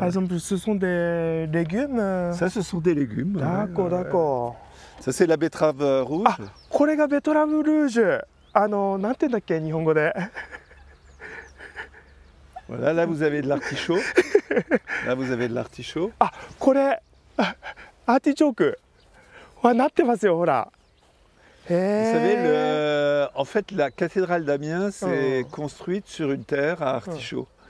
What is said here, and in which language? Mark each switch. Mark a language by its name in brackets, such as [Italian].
[French] Par exemple, ce sont des légumes. Ça, ce sont des légumes. D'accord, d'accord. Ça, c'est la betterave rouge. [Japanese] Ah, これがベトラブルージュ。あの、なんて言うんだっけ、日本語で。 [French] Voilà, là, vous avez de l'artichaut. Là, vous avez de l'artichaut. [Japanese] Ah, これ、アーティチョーク。わ、なってますよ、ほら。 [French] Vous savez, en fait, la cathédrale d'Amiens s'est construite sur une terre à artichauts.